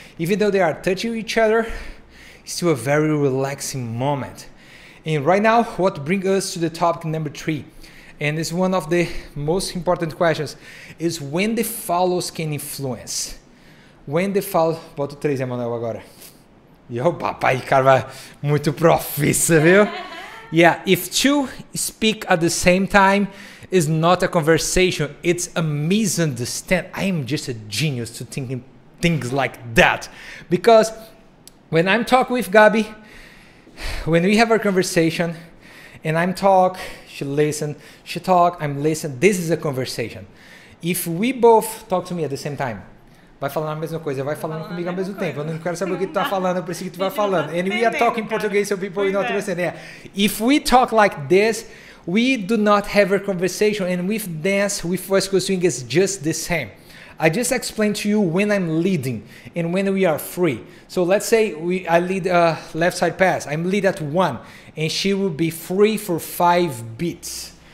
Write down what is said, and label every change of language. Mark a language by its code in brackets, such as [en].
[en] Even though they are touching each other, it's still a very relaxing moment. And right now, what brings us to the topic number three, and it's one of the most important questions, is when the follows can influence. When the follows... [pt] Bota o 3, Emanuel, agora. E o papai, cara, vai muito profissa, viu? [en] Yeah, if two speak at the same time, it's not a conversation, it's a misunderstanding. I am just a genius to thinking things like that. Because when I'm talking with Gabi, when we have our conversation, and I'm talk, she listen, she talk, I'm listen, this is a conversation. If we both talk to me at the same time, [pt] vai falando a mesma coisa, vai falando comigo ao mesmo tempo, eu não quero saber o que tu tá falando, eu preciso que tu vá falando. [en] And we are talking Portuguese, so people will not understand. Yeah. If we talk like this, we do not have a conversation, and with dance, with Fresco Swing, it's just the same. I just explained to you when I'm leading and when we are free. So let's say I lead a left side pass. I'm lead at one and she will be free for 5 beats.